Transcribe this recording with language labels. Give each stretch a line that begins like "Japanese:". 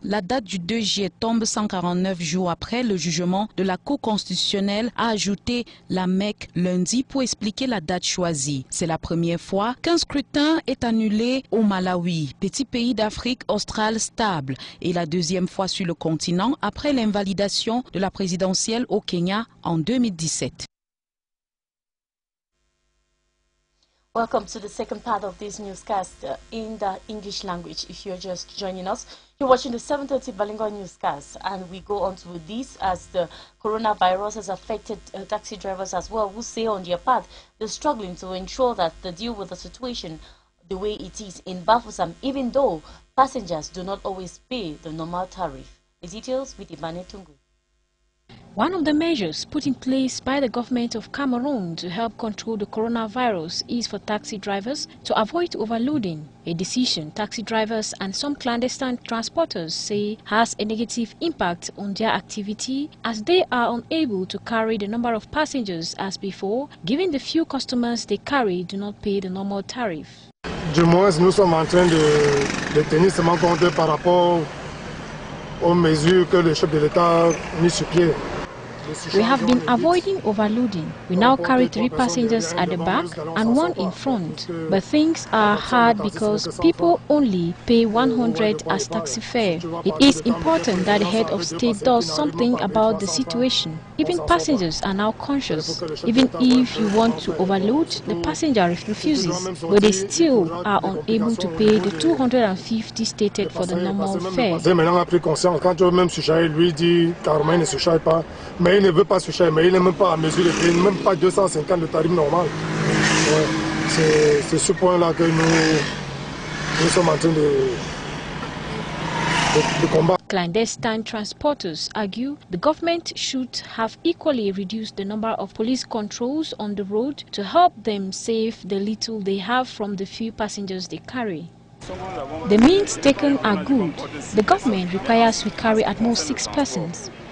French: La date du 2 juillet tombe 149 jours après le jugement de la Cour constitutionnelle, a ajouté la MEC lundi pour expliquer la date choisie. C'est la première fois qu'un scrutin est annulé au Malawi, petit pays d'Afrique australe stable, et la deuxième fois sur le continent après l'invalidation de la présidentielle au Kenya en 2017.
English: Welcome to the second part of this newscast in the English language. If you're just joining us, you're watching the 7:30 Bilingual Newscast, and we go on to this as the coronavirus has affected taxi drivers as well, who say on their part they're struggling to ensure that they deal with the situation the way it is in Bafoussam, even though passengers do not always pay the normal tariff. The details with Ibane Tungu. One of the measures put in place by the government of Cameroon to help control the coronavirus is for taxi drivers to avoid overloading, a decision taxi drivers and some clandestine transporters say has a negative impact on their activity as they are unable to carry the number of passengers as before, given the few customers they carry do not pay the normal tariff.
French: Du moins, nous sommes en train de tenir seulement compte par rapport aux mesures que le chef de l'État a mis sur pied.
English: We have been avoiding overloading. We now carry three passengers at the back and one in front. But things are hard because people only pay 100 as taxi fare. It is important that the head of state does something about the situation. Even passengers are now conscious. Even if you want to overload, the passenger refuses. But they still are unable to pay the 250 stated for the normal fare.
French: Mais il ne veut pas se charger, mais il n'est même pas à mesurer, il n'est même pas 250 de tarif normal. Ouais, c'est ce point-là que nous sommes en train de combattre.
English: Clandestine transporters argue the government should have equally reduced the number of police controls on the road to help them save the little they have from the few passengers they carry. The means taken are good. The government requires we carry at most 6 persons.